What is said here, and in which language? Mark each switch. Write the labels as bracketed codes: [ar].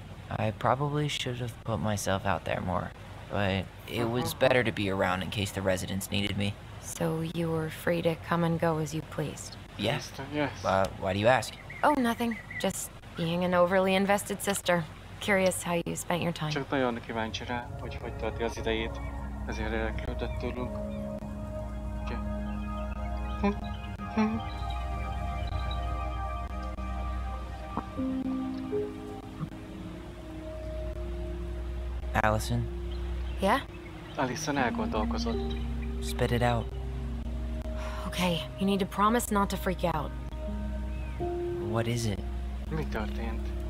[en] I probably should have put myself out there more, but it was better to be around in case the residents needed me. So you were free to come and go as you pleased? Yes. Yes. Why do you ask? Oh, nothing. Just being an overly invested sister. Curious how you spent your time. [hu] Csak nagyon kíváncsi rá, hogy hogy tölti az idejét. Ezért érdeklődött tőlünk. [en] Allison? Yeah? [hu] Allison elgondolkozott. [en] Spit it out. Okay, you need to promise not to freak out. What is it? [hu] Mi történt?